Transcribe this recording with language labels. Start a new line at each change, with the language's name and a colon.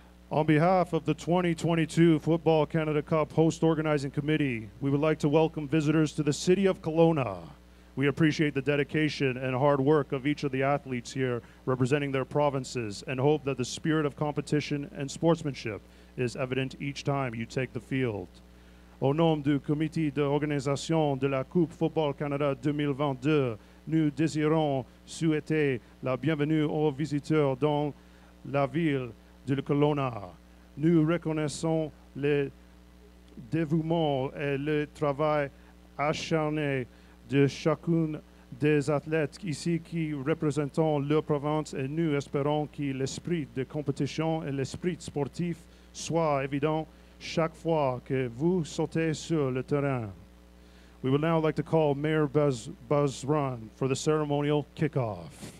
English: On behalf of the 2022 Football Canada Cup Host Organizing Committee, we would like to welcome visitors to the city of Kelowna. We appreciate the dedication and hard work of each of the athletes here representing their provinces and hope that the spirit of competition and sportsmanship is evident each time you take the field.
French: Au nom du Comité d'organisation de la Coupe Football Canada 2022, nous désirons souhaiter la bienvenue aux visiteurs dans la ville de Kelowna. Nous reconnaissons le dévouement et le travail acharné de chacun des athlètes ici qui représentent leur province et nous espérons que l'esprit de compétition et l'esprit sportif soient évidents chaque fois que vous sautez sur le terrain.
English: We would now like to call Mayor Bazran for the ceremonial kickoff.